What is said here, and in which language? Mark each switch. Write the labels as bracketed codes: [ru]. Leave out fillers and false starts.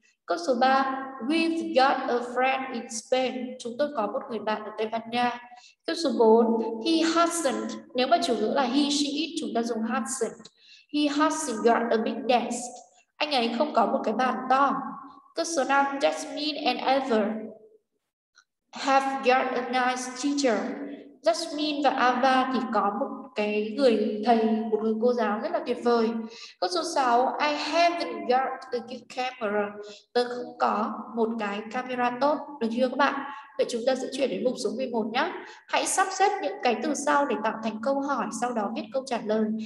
[vi] Câu số 3, [en] we've got a friend in Spain. [vi] Chúng tôi có một người bạn ở Tây Ban Nha. Câu số 4, he hasn't, nếu mà chủ ngữ là he, she, it, chúng ta dùng hasn't. [en] He hasn't got a big desk. [vi] Anh ấy không có một cái bàn to. Câu số 5, [en] Jasmine and Ever have got a nice teacher. [vi] Jasmine và Ava thì có một cái người thầy, một người cô giáo rất là tuyệt vời. Câu số 6, [en] I haven't got a good camera. [vi] Tớ không có một cái camera tốt, được chưa các bạn? Vậy chúng ta sẽ chuyển đến mục số 11 nhé. Hãy sắp xếp những cái từ sau để tạo thành câu hỏi, sau đó viết câu trả lời.